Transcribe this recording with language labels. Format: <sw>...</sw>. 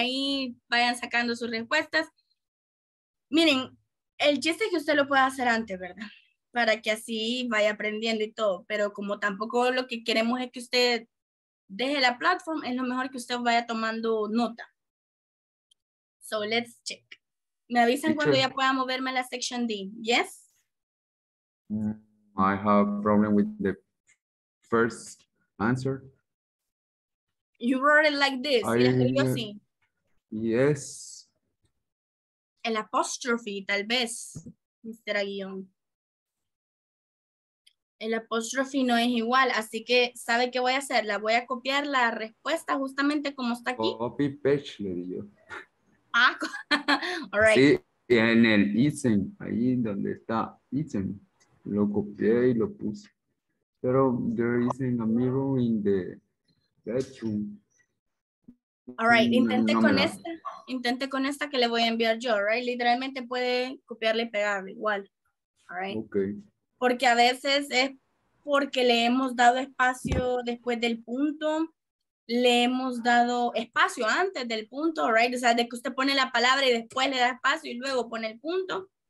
<es>Ahí vayan sacando sus respuestas. Miren, el chiste es que usted lo pueda hacer antes, ¿verdad? Para que así vaya aprendiendo y todo. Pero como tampoco lo que queremos es que usted deje la plataforma, es lo mejor que usted vaya tomando nota.</es> <en>So, let's check.</en> <es>Me avisan teacher, cuando ya pueda moverme a la section D.</es> <en>¿Yes? I have a problem with the first answer. You wrote it like this. Sí. Yes.</en> <es>El apóstrofe, tal vez, Mr. Aguillón. El apóstrofe no es igual, así que, ¿sabe qué voy a hacer? La voy a copiar la respuesta justamente como está aquí.</es> <en>Copy page,</en> <es>le digo.</es> <en>All right.</en> <es>Sí, en el ISSS, ahí donde está ISSS, lo copié y lo puse.</es> <en>Pero there isn't a mirror in the bedroom. All right,</en> <es>intenté con esta. Intenté con esta que le voy a enviar yo, right? Literalmente puede copiarle y pegarle igual.</es> <en>All right. Okay.</en> <es>Porque a veces es porque le hemos dado espacio después del punto, le hemos dado espacio antes del punto, right? O sea, de que usted pone la palabra y después le da espacio y luego pone el punto.</es>